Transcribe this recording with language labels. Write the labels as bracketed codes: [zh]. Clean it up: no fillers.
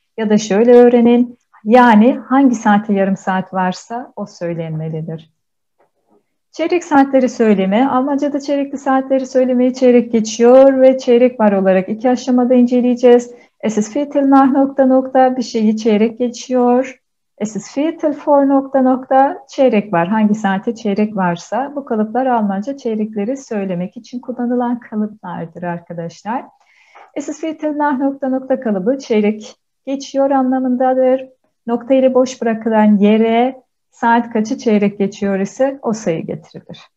[tr] Ya da şöyle öğrenin, yani hangi saate yarım saat varsa o söylenmelidir. Çeyrek saatleri söylemi, Almanca'da çeyrekli saatleri söylemeyi çeyrek geçiyor ve çeyrek var olarak iki aşamada inceleyeceğiz. [de] Es ist Viertel nach [tr] nokta nokta, bir şeyi çeyrek geçiyor. [de] Es ist Viertel vor [tr] nokta nokta, çeyrek var. Hangi saate çeyrek varsa, bu kalıplar Almanca çeyrekleri söylemek için kullanılan kalıplardır arkadaşlar. [de] Es ist Viertel nach [tr] nokta nokta kalıbı çeyrek geçiyor anlamındadır. Nokta ile boş bırakılan yere saat kaçı çeyrek geçiyor ise o sayı getirilir.